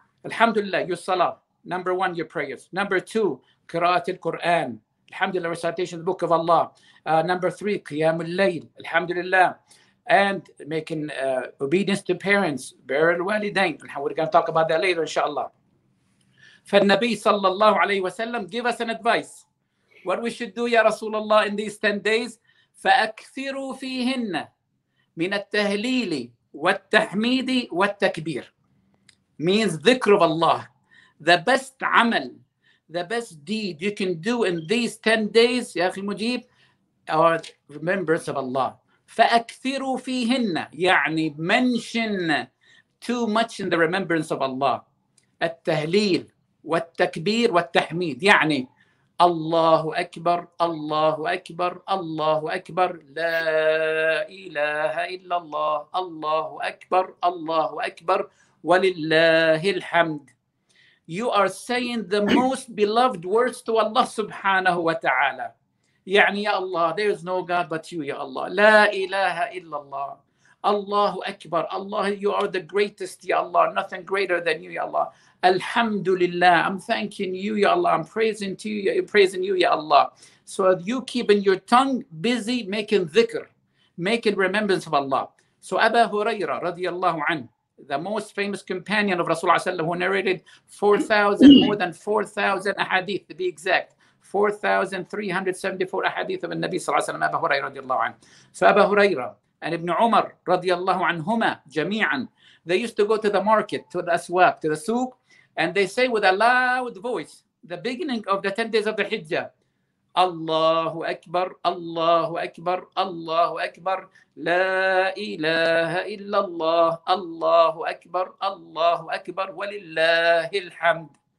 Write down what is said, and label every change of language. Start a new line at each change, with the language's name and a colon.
English: Alhamdulillah, your salah. Number one, your prayers. Number two, qira'at al-Quran. Alhamdulillah, recitation of the book of Allah. Number three, qiyam al-layl. Alhamdulillah. And making obedience to parents. Bir al-walidain. We're going to talk about that later, inshallah.
Arabic: فالنبي صلى الله عليه وسلم
English: give us an advice. What we should do,
Arabic: يا رسول الله,
English: in these 10 days,
Arabic: فأكثروا فيهن من التهليل والتحميد والتكبير.
English: Means ذكر of Allah. The best عمل, the best deed you can do in these 10 days,
Arabic: يا أخي مجيب,
English: are remembrance of Allah.
Arabic: فأكثروا فيهن, يعني
English: mention too much in the remembrance of Allah.
Arabic: التهليل والتكبير والتحميد, يعني الله أكبر الله أكبر الله أكبر لا إله إلا الله الله أكبر الله أكبر ولله الحمد.
English: You are saying the most beloved words to Allah
Arabic: سبحانه وتعالى. يعني يا الله,
English: there is no God but you,
Arabic: يا الله. لا إله إلا الله. الله أكبر.
English: الله, you are the greatest,
Arabic: يا الله.
English: Nothing greater than you, يا الله.
Arabic: الحمد لله.
English: I'm thanking you,
Arabic: يا الله.
English: I'm praising to you, praising you, يا الله. So you keeping your tongue busy making dhikr, making remembrance of Allah. So أبا هريرة رضي الله عنه, the most famous companion of Rasulullah
Arabic: صلى الله عليه وسلم,
English: who narrated 4,000, more than 4,000 ahadith, to be exact, 4,374 ahadith of
Arabic: النبي صلى الله عليه وسلم,
English: أبا هريرة
Arabic: رضي الله عنه.
English: So أبا هريرة and Ibn Umar
Arabic: رضي الله عنهما جميعا,
English: they used to go to the market, to the aswaq, to the souk, and they say with a loud voice, the beginning of the 10 days of the Hijjah,
Arabic: الله أكبر الله أكبر الله أكبر لا إله إلا الله الله أكبر الله أكبر ولله الحمد.